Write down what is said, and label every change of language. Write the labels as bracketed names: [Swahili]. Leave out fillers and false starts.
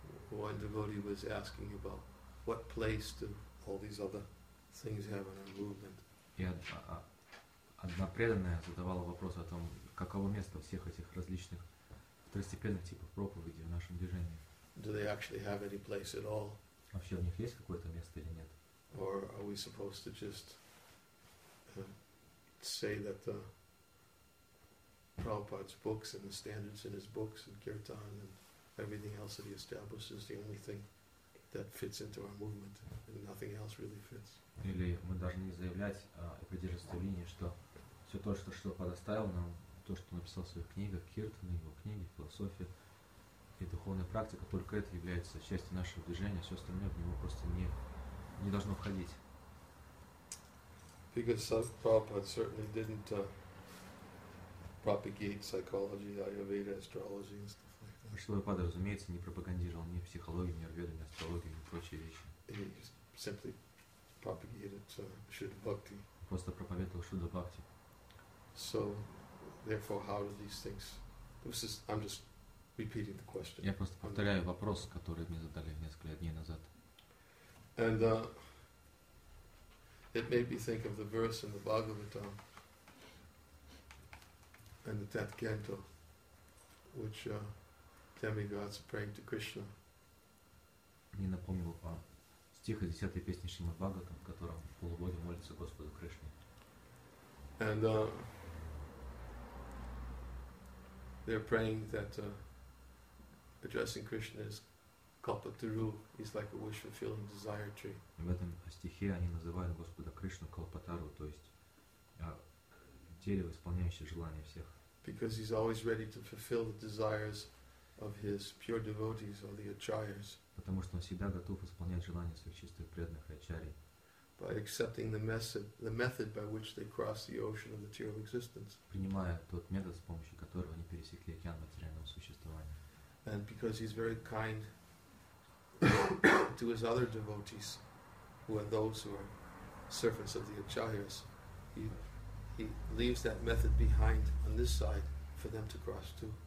[English] Why the devotee was asking about what place do all these other things have in our movement? [Russian] Одна преданная задавала вопрос о том, каково место всех этих различных второстепенных типов проповеди в нашем движении. [English] Do they actually have any place at all? [Russian] Вообще у них есть какое-то место или нет? [English] Or are we supposed to just say that the Prabhupada's books and the standards in his books and kirtan and everything else that he establishes is the only thing that fits into our movement and nothing else really fits? [Russian] Или мы должны заявлять и придерживаться линии, что все то, что Шрила оставил нам, то, что написал в своих книгах, киртаны, его книги, философия и духовная практика, только это является частью нашего движения, все остальное в него просто не должно входить. [English] Because Prabhupada certainly didn't propagate psychology, Ayurveda, astrology and stuff like that. [Russian] Шрила Прабхупада, разумеется, не пропагандировал ни психологию, ни Аюрведу, ни астрологию, ни прочие вещи. [English] He simply propagated Shuddha Bhakti. [Russian] Просто проповедовал Шрила Бхакти. [English] So, therefore, how do these things? I'm just repeating the question. [Russian] Я просто повторяю вопрос, который мне задали несколько дней назад. [English] And it made me think of the verse in the Bhagavatam, in the 10th canto, which demigods are praying to Krishna. [Russian] Мне напомнил стих из 10-й песни Шримад Бхагаватам, в котором полубоги молятся Господу Кришне. [English] And they're praying that addressing Krishna is Kalpataru. He's like a wish fulfilling desire tree. [Russian] В этом стихе они называют Господа Кришну Калпатару, то есть дерево, исполняющее желания всех. [English] Because he's always ready to fulfill the desires of his pure devotees or the acharyas. [Russian] Потому что он всегда готов исполнять желания своих чистых преданных ачарий. [English] By accepting the method by which they cross the ocean of material existence. [Russian] Принимая тот метод, с помощью которого они пересекли океан материального существования. [English] And because he's very kind to his other devotees, who are those who are servants of the acharyas, he leaves that method behind on this side for them to cross to.